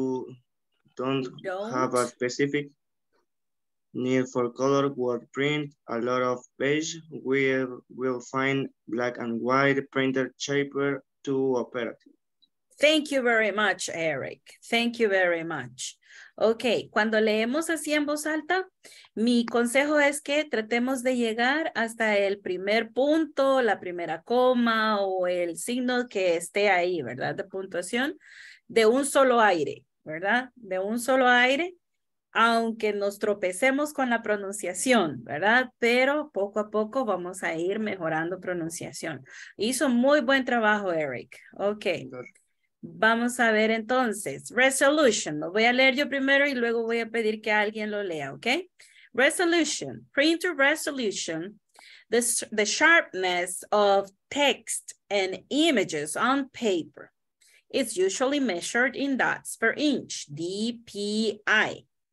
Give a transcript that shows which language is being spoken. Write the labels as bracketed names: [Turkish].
[English] User who don't have a specific need for color word print a lot of page will find black and white printer cheaper to operate. Thank you very much, Eric. Thank you very much. [Spanish] Okay, cuando leemos así en voz alta, mi consejo es que tratemos de llegar hasta el primer punto, la primera coma o el signo que esté ahí, ¿verdad? De puntuación, de un solo aire, ¿verdad? De un solo aire, aunque nos tropecemos con la pronunciación, ¿verdad? Pero poco a poco vamos a ir mejorando pronunciación. Hizo muy buen trabajo, Eric. Okay. Vamos a ver entonces, resolution, lo voy a leer yo primero y luego voy a pedir que alguien lo lea, ¿ok? [English] Resolution, printer resolution, the sharpness of text and images on paper is usually measured in dots per inch, DPI.